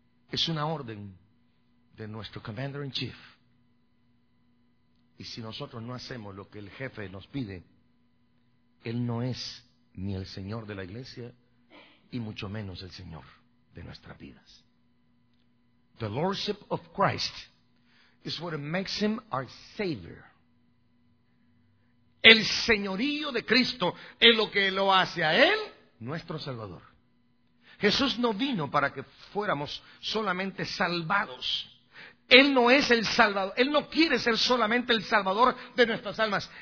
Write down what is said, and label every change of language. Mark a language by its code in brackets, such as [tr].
[es] Es una orden de nuestro [en] commander in chief. [es] Y si nosotros no hacemos lo que el jefe nos pide, él no es ni el señor de la iglesia y mucho menos el señor de nuestras vidas. [en] The lordship of Christ is what makes him our savior. [es] El señorío de Cristo es lo que lo hace a Él nuestro Salvador. Jesús no vino para que fuéramos solamente salvados. Él no es el Salvador. Él no quiere ser solamente el Salvador de nuestras almas.